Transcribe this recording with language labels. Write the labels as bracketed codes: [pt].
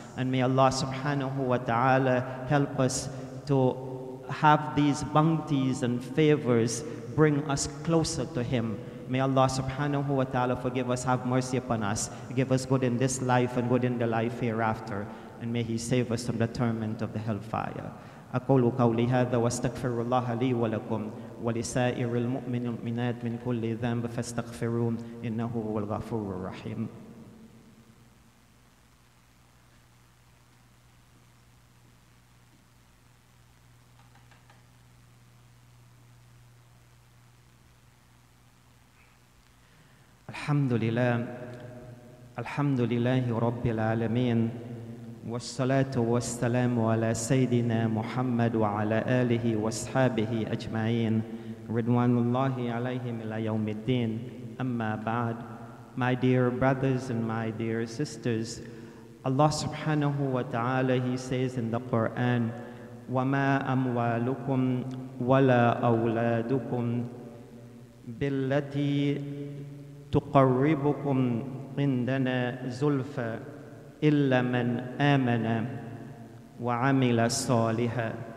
[en] And may Allah subhanahu wa ta'ala help us to have these bounties and favors bring us closer to Him. May Allah subhanahu wa ta'ala forgive us, have mercy upon us, give us good in this life and good in the life hereafter. And may He save us from the torment of the hellfire. [ar] أقولوا قولي هذا واستغفر الله لي ولكم ولسائر المؤمنات من كل ذنب فاستغفرون إنه هو الغفور الرحيم. الحمد لله الحمد لله رب العالمين والصلاة والسلام على سيدنا محمد وعلى آله وصحبه أجمعين رضوان الله عليهم إلى يوم الدين أما بعد. [en] My dear brothers and my dear sisters, Allah subhanahu wa ta'ala, He says in the Quran, [ar] وما أموالكم ولا أولادكم بالتي تقربكم عندنا زلفى إِلَّا مَنْ آمَنَ وَعَمِلَ صَالِحًا.